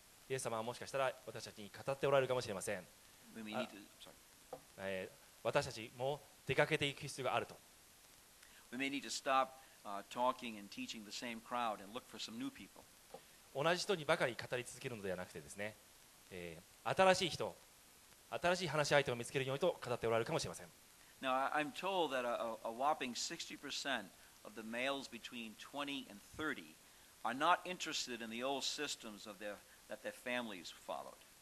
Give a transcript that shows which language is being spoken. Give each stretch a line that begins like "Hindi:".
Japanese: イエス様はもしかしたら私たちに語っておられるかもしれません。
English: We need to, sorry.
Japanese: 私たちも出かけていく必要があると。
English: We may need to stop talking and teaching the same crowd and look for some new people.
Japanese: 同じ人にばかり語り続けるのではなくてですね、新しい人、新しい話し相手を見つけるようにと語っておられるかもしれません。
English: Now I'm told that a whopping 60% of the males between 20 and 30are not interested in the old systems of their, that their families followed.